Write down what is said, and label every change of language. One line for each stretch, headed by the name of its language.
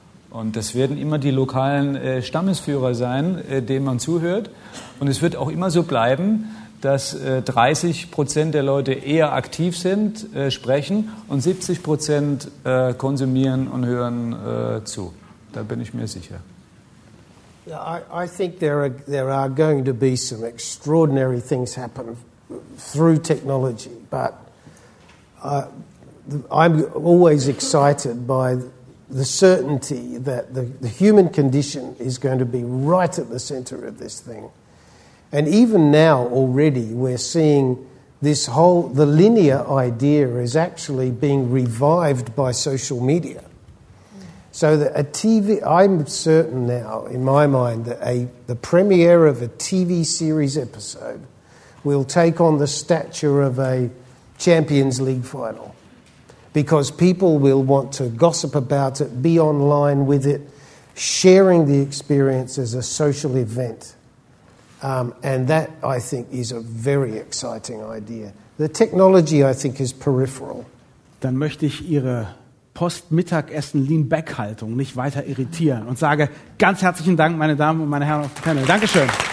German: Und das werden immer die lokalen Stammesführer sein, denen man zuhört. Und es wird auch immer so bleiben, dass 30% der Leute eher aktiv sind, sprechen, und 70% konsumieren und hören zu. Da bin ich mir sicher.
English: I think there are going to be some extraordinary things happen through technology, but I'm always excited by the certainty that the human condition is going to be right at the center of this thing. And even now, already, we're seeing this whole, the linear idea is actually being revived by social media. So that a TV, I'm certain now, in my mind, that the premiere of a TV series episode will take on the stature of a Champions League final. Because people will want to gossip about it, be online with it, sharing the experience as a social event. And that, I think, is a very exciting idea. The technology, I think, is peripheral.
German: Dann möchte ich Ihre Post-Mittagessen-Lean-Back-Haltung nicht weiter irritieren und sage ganz herzlichen Dank, meine Damen und meine Herren auf dem Panel. Dankeschön.